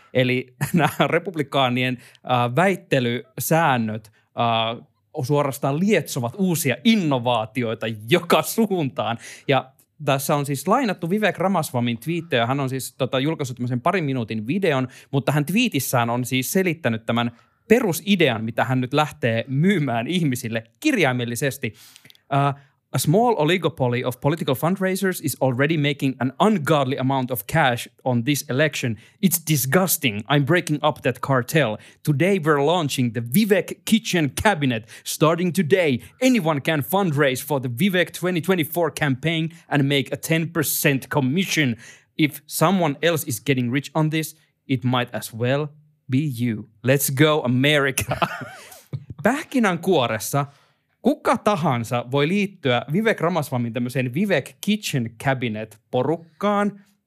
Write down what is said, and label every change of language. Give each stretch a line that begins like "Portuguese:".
Finnish: Eli nämä republikaanien väittelysäännöt suorastaan lietsovat uusia innovaatioita joka suuntaan. Ja tässä on siis lainattu Vivek Ramaswamin twiittejä. Hän on siis julkaissut tämmöisen parin minuutin videon, mutta hän twiitissään on siis selittänyt tämän perusidean, mitä hän nyt lähtee myymään ihmisille kirjaimellisesti.
English: A small oligopoly of political fundraisers is already making an ungodly amount of cash on this election. It's disgusting. I'm breaking up that cartel. Today we're launching the Vivek Kitchen Cabinet. Starting today, anyone can fundraise for the Vivek 2024 campaign and make a 10% commission. If someone else is getting rich on this, it might as well be you. Let's go America.
Finnish: Pähkinän kuoressa kuka tahansa voi liittyä Vivek Ramaswamin tämmöiseen Vivek Kitchen Cabinet -porukkaan.